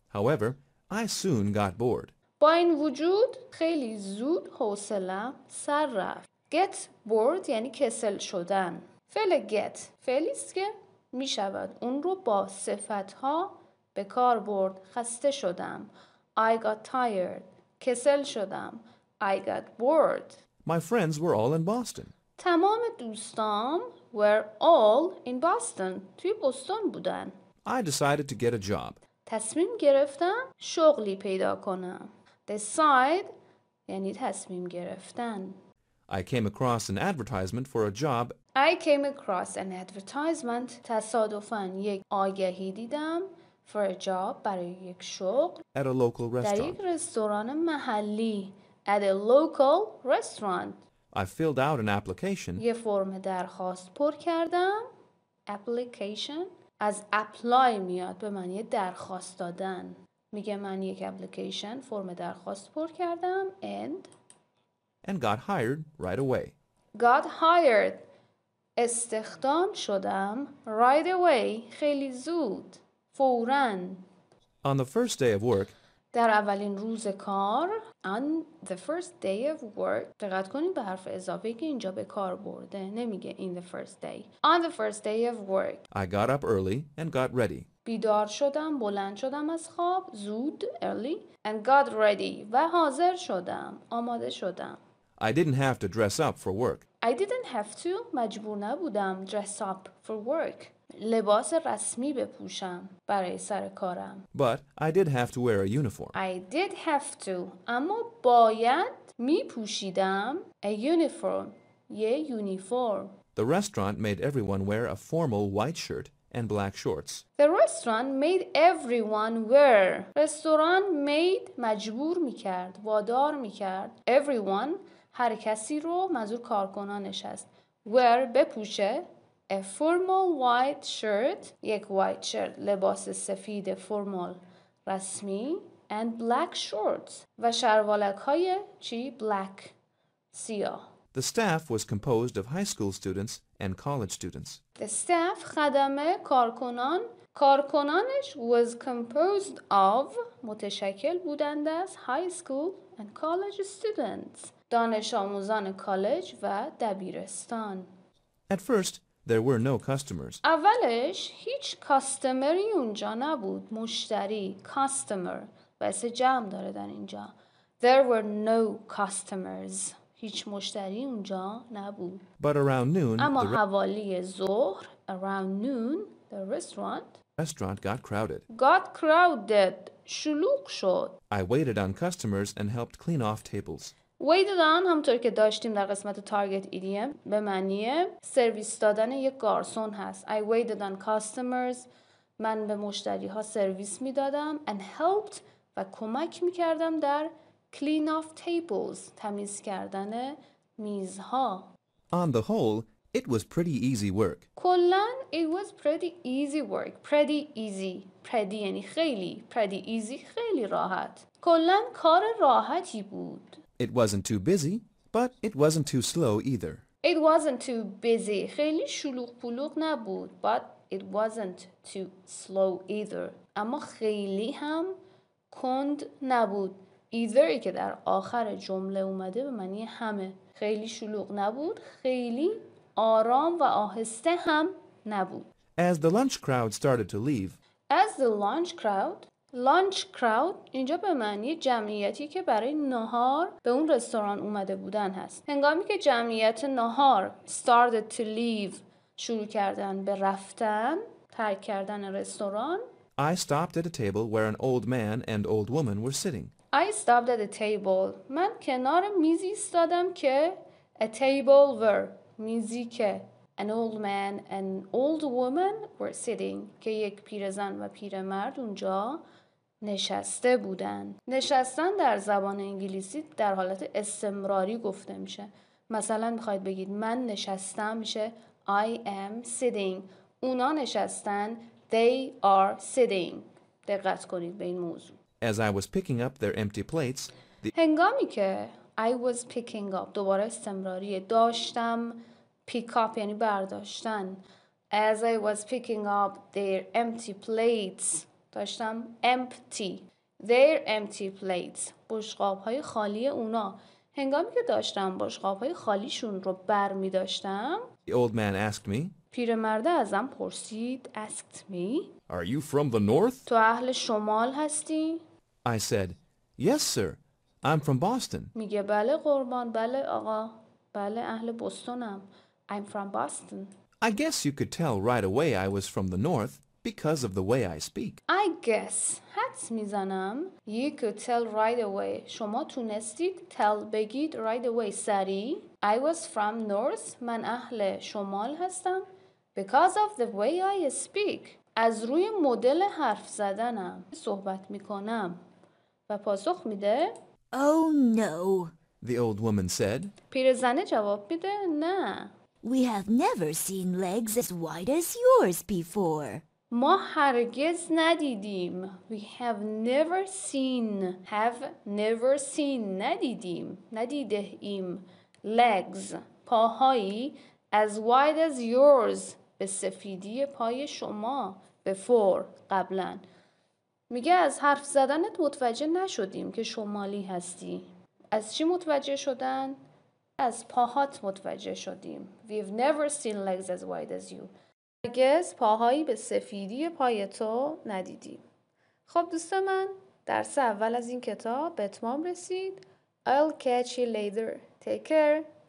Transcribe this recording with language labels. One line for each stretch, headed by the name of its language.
English: However, I soon got bored.
Persian: با این وجود خیلی زود حوصله‌ام سر رفت.
English: Get bored
Persian: یعنی کسل شدن. فعل get فعلی است که می شود اون رو با صفت ها به کار برد. خسته شدم.
English: I got tired.
Persian: کسل شدم.
English: I got bored. My friends were all in Boston.
Persian: تمام دوستام
English: were all in Boston.
Persian: توی بوستون بودن.
English: I decided to get a job.
Persian: تصمیم گرفتم شغلی پیدا کنم.
English: Decide
Persian: یعنی تصمیم گرفتن.
English: I came across an advertisement for a job. I came across an advertisement.
Persian: تصادفاً یک آگهی دیدم
English: for a job
Persian: برای یک شغل.
English: At a local restaurant.
Persian: در یک رستوران محلی.
English: At a local restaurant. I filled out an application.
Persian: یه فرم درخواست پر کردم. Application. از apply میاد به معنی درخواست دادن. میگه من یک application فرم درخواست پر کردم
English: and got hired right away. Got hired.
Persian: استخدام شدم
English: right away.
Persian: خیلی زود. فوراً.
English: On the first day of work.
Persian: در اولین روز کار.
English: On the first day of work.
Persian: دقت کنید به حرف اضافه که اینجا به کار برده. نمیگه
English: in the first day. On the first day of work. I got up early and got ready.
Persian: بیدار شدم. بلند شدم از خواب. زود. Early.
English: And got ready.
Persian: و حاضر شدم. آماده شدم.
English: I didn't have to dress up for work. I didn't have to.
Persian: مجبور نبودم
English: dress up for work.
Persian: لباس رسمی بپوشم برای سر کارم.
English: But I did have to wear a uniform. I did have to.
Persian: اما باید میپوشیدم
English: a uniform.
Persian: یه uniform.
English: The restaurant made everyone wear a formal white shirt and black shorts. The restaurant made everyone wear.
Persian: رستوران
English: made
Persian: مجبور میکرد وادار میکرد
English: everyone
Persian: هر کسی رو منظور کارکنانش است
English: wear
Persian: بپوشه
English: a formal white shirt
Persian: یک
English: white shirt
Persian: لباس سفید formal رسمی
English: and black shorts
Persian: و شروالک های چی black سیاه.
English: The staff was composed of high school students and college students. The staff
Persian: خدمه کارکنان کارکنانش
English: was composed of
Persian: متشکل بودند از
English: high school and college students
Persian: دانش آموزان کالج و دبیرستان.
English: At first, there were no customers.
Persian: اولش هیچ کاستمری اونجا نبود. مشتری, customer. واسه جمع داره در اینجا.
English: There were no customers.
Persian: هیچ مشتری اونجا نبود.
English: But around noon,
Persian: اما حوالی ظهر,
English: around noon, the restaurant got crowded. Got crowded.
Persian: شلوغ شد.
English: I waited on customers and helped clean off tables.
Persian: Waited on همطور که داشتیم در قسمت
English: target idiom
Persian: به معنی سرویس دادن یک گارسون هست.
English: I waited on customers.
Persian: من به مشتری ها سرویس می دادم.
English: And helped
Persian: و کمک می کردم در
English: clean off tables.
Persian: تمیز کردن میزها.
English: On the whole, It was pretty easy work.
Persian: کلن
English: it was pretty easy work. Pretty easy.
Persian: Pretty یعنی خیلی.
English: Pretty easy
Persian: خیلی راحت. کلن کار راحتی بود.
English: It wasn't too busy, but it wasn't too slow either. It wasn't too busy.
Persian: خیلی شلوغ پلوغ نبود.
English: But it wasn't too slow either.
Persian: اما خیلی هم کند نبود. Either-ی که در آخر جمله اومده به معنی همه. خیلی شلوغ نبود. خیلی آرام و آهسته هم نبود.
English: As the lunch crowd started to leave. As the lunch crowd.
Persian: Lunch crowd اینجا به معنی جمعیتی که برای نهار به اون رستوران اومده بودن هست. هنگامی که جمعیت نهار
English: started to leave
Persian: شروع کردن به رفتن، ترک کردن رستوران.
English: I stopped at a table where an old man and old woman were sitting. I stopped at a table.
Persian: من کنار میزی ایستادم که
English: a table where میزی که an old man and old woman were sitting
Persian: که یک پیرزن و پیرمرد اونجا نشسته بودن. نشستن در زبان انگلیسی در حالت استمراری گفته میشه. مثلا میخواید بگید من نشستم میشه
English: I am sitting.
Persian: اونا نشستن
English: they are sitting.
Persian: دقت کنید به این موضوع.
English: As I was picking up their empty plates
Persian: هنگامی که
English: I was picking up
Persian: دوباره استمراریه داشتم pick up یعنی برداشتن
English: as I was picking up their empty plates
Persian: داشتم empty
English: their empty plates
Persian: بشقاب‌های خالی اونا هنگامی که داشتم بشقاب‌های خالیشون رو بر می داشتم
English: The old man asked me
Persian: پیرمرد ازم پرسید
English: asked me Are you from the north?
Persian: تو اهل شمال هستی؟
English: I said Yes sir I'm from Boston
Persian: میگه بله قربان بله آقا بله اهل بوستونم
English: I'm from Boston. I guess you could tell right away I was from the north because of the way I speak. I guess.
Persian: حدس میزنم.
English: You could tell right away.
Persian: شما تونستید tell بگید
English: right away.
Persian: سریع.
English: I was from north.
Persian: من اهل شمال هستم.
English: Because of the way I speak.
Persian: از روی مدل حرف زدنم. صحبت میکنم. و پاسخ میده.
English: Oh no. The old woman said.
Persian: پیرزنه جواب میده. نه.
English: We have never seen legs as wide as yours before.
Persian: ما هرگز ندیدیم.
English: We have never seen. Have never seen.
Persian: ندیدیم. ندیده ایم.
English: Legs.
Persian: پاهایی.
English: As wide as yours.
Persian: به سفیدی پای شما.
English: Before.
Persian: قبلا. میگه از حرف زدنت متوجه نشدیم که شمالی هستی. از چی متوجه شدن؟ از پاهات متوجه شدیم.
English: We've never seen legs as wide as you.
Persian: هرگز پاهایی به سفیدی پای تو ندیدیم. خب دوست من درس اول از این کتاب به اتمام رسید.
English: I'll catch you later. Take care.